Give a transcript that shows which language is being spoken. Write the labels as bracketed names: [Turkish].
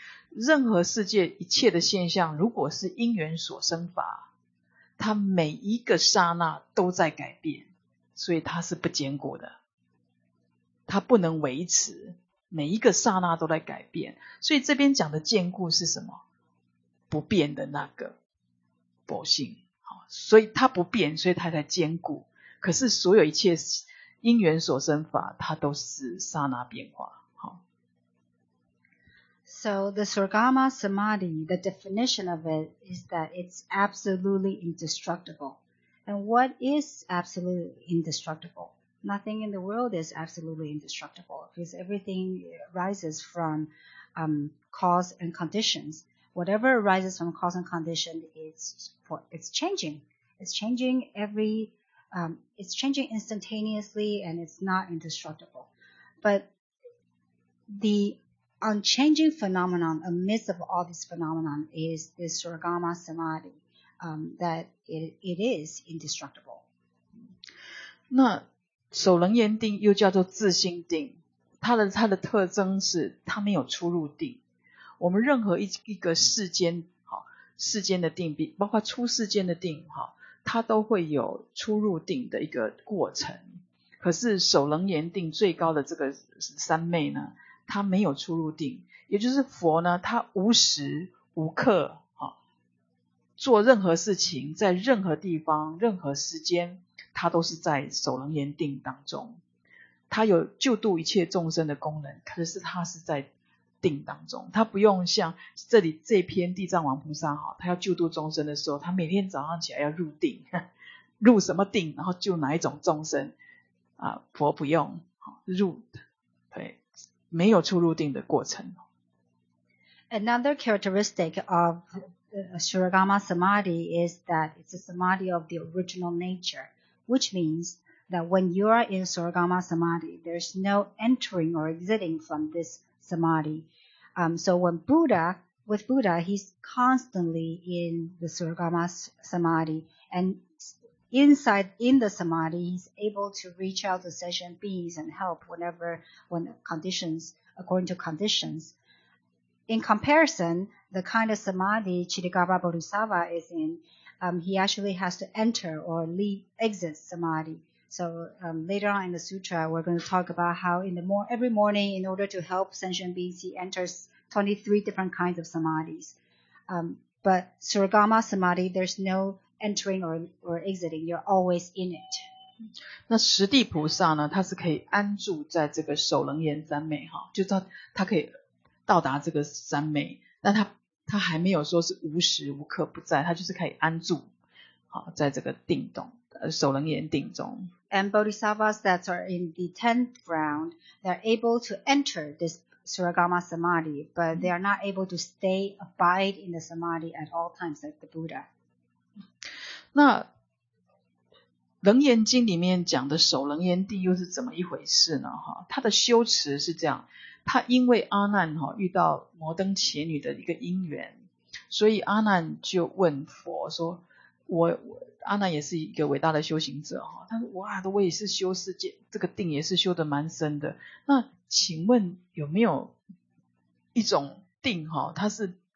[Chinese] 任何世界一切的现象，如果是因缘所生法，它每一个刹那都在改变，所以它是不坚固的，它不能维持，每一个刹那都在改变。所以这边讲的坚固是什么？不变的那个佛性。所以它不变，所以它才坚固，可是所有一切因缘所生法，它都是刹那变化。 [English] So the Suragama Samadhi, the definition of it is that it's absolutely indestructible. And what is absolutely indestructible? Nothing in the world is absolutely indestructible because everything arises from cause and conditions. whatever arises from cause and condition it's changing instantaneously and it's not indestructible. But the unchanging phenomenon amidst of all this phenomenon is this Surgama Samadhi, that it is indestructible. [Chinese] 那守楞严定又叫做自性定，它的特征是它没有出入定。我们任何一个世间的定，包括出世间的定，它都会有出入定的一个过程。可是守楞严定最高的这个三昧呢，它没有出入定，也就是佛呢，它无时无刻，做任何事情，在任何地方、任何时间，它都是在守楞严定当中。它有救度一切众生的功能，可是它是在定当中，它不用像这里这篇地藏王菩萨哈，他要救度众生的时候，他每天早上起来要入定，入什么定，然后救哪一种众生啊？佛不用入，对，没有出入定的过程。 [English] Another characteristic of Surgama Samadhi is that it's a samadhi of the original nature, which means that when you are in Surgama Samadhi, there's no entering or exiting from this samadhi. So when Buddha, he's constantly in the Surgama Samadhi, and in the samadhi, he's able to reach out to sentient beings and help according to conditions. In comparison, the kind of samadhi Chittagata Bodhisattva is in, he actually has to enter or exit samadhi. So later on in the sutra, we're going to talk about how every morning, in order to help sentient beings, he enters 23 different kinds of samadhis. But Surgama Samadhi, there's no entering or exiting. You're always in it. [Chinese] 那实地菩萨呢，他是可以安住在这个守楞严三昧，就他可以到达这个三昧，但他还没有说是无时无刻不在，他就是可以安住在这个定中，守楞严定中。 [English] And bodhisattvas that are in the 10th round, they're able to enter this Surgama Samadhi, but they are not able to abide in the Samadhi at all times like the Buddha. [Chinese] 那楞严经里面讲的守楞严定又是怎么一回事呢？他的修持是这样，他因为阿难遇到摩登伽女的一个因缘，所以阿难就问佛说，阿难也是一个伟大的修行者，他说哇，我也是修世界，这个定也是修得蛮深的，那请问有没有一种定，它是